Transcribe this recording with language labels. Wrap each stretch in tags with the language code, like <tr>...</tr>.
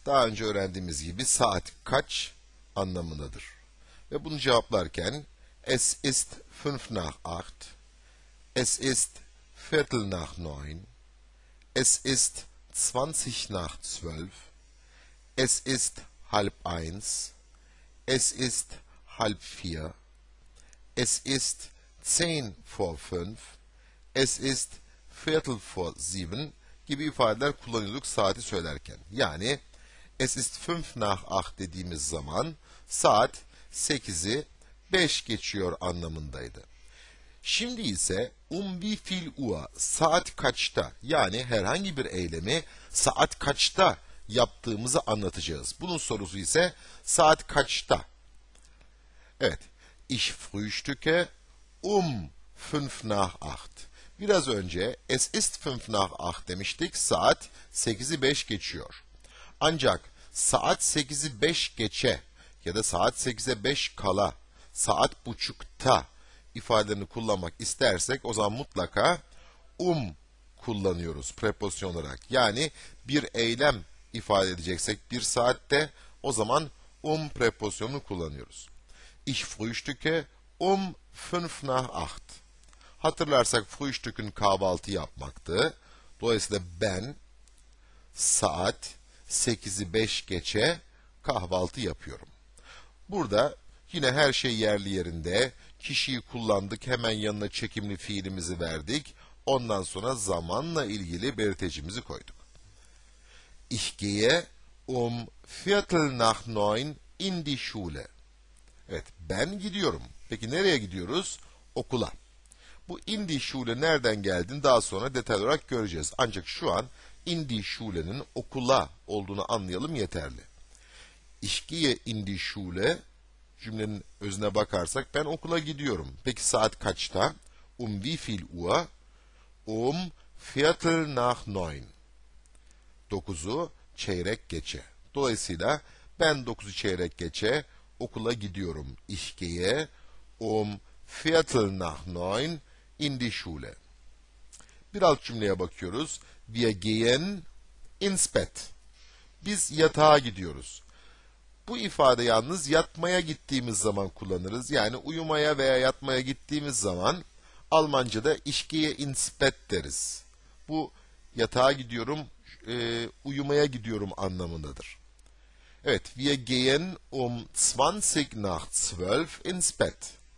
<tr>Daha önce öğrendiğimiz gibi saat kaç anlamındadır. Ve bunu cevaplarken</tr> <de>es ist 5 nach 8, es ist viertel nach 9, es ist 20 nach 12, es ist halb 1, es ist halb 4, es ist 10 vor 5, es ist viertel vor 7</de> <tr>gibi ifadeler kullanıyorduk saati söylerken. Yani</tr> <de>es ist 5 nach 8</de> <tr>dediğimiz zaman saat 8'i 5 geçiyor anlamındaydı. Şimdi ise</tr> <de>wie viel Uhr,</de> <tr>saat kaçta, yani herhangi bir eylemi saat kaçta yaptığımızı anlatacağız. Bunun sorusu ise saat kaçta? Evet,</tr> <de>ich frühstücke 5 nach 8.</de> <tr>Biraz önce</tr> <de>es ist 5 nach 8</de> <tr>demiştik, saat 8'i 5 geçiyor. Ancak saat 8'i 5 geçe ya da saat 8'e 5 kala, saat buçukta ifadelerini kullanmak istersek o zaman mutlaka kullanıyoruz preposyon olarak. Yani bir eylem ifade edeceksek bir saatte o zaman preposyonunu kullanıyoruz.</tr> <de>Ich frühstücke 5 nach 8.</de> <tr>Hatırlarsak frühstücken kahvaltı yapmaktı. Dolayısıyla ben saat 8'i 5 geçe kahvaltı yapıyorum. Burada yine her şey yerli yerinde, kişiyi kullandık, hemen yanına çekimli fiilimizi verdik. Ondan sonra zamanla ilgili belirtecimizi koyduk.</tr> <de>Ich gehe viertel nach 9 in die Schule.</de> <tr>Evet, ben gidiyorum. Peki nereye gidiyoruz? Okula. Bu</tr> <de>in die Schule</de> <tr>nereden geldin daha sonra detaylı olarak göreceğiz. Ancak şu an</tr> <de>in die Schule'nin</de> <tr>okula olduğunu anlayalım yeterli.</tr> <de>Ich gehe in die Schule</de> <tr>cümlenin özüne bakarsak ben okula gidiyorum. Peki saat kaçta?</tr> <de>Wie viel Uhr? Viertel nach 9.</de> <tr>9'u çeyrek geçe. Dolayısıyla ben 9'u çeyrek geçe okula gidiyorum.</tr> <de>Ich gehe viertel nach 9 in die Schule.</de> <tr>Bir alt cümleye bakıyoruz.</tr> <de>Wir gehen ins Bett.</de> <tr>Biz yatağa gidiyoruz. Bu ifade yalnız yatmaya gittiğimiz zaman kullanırız. Yani uyumaya veya yatmaya gittiğimiz zaman Almanca'da</tr> <de>ich gehe ins Bett</de> <tr>deriz. Bu yatağa gidiyorum, uyumaya gidiyorum anlamındadır. Evet,</tr> <de>wir gehen 20 nach 12 ins Bett.</de>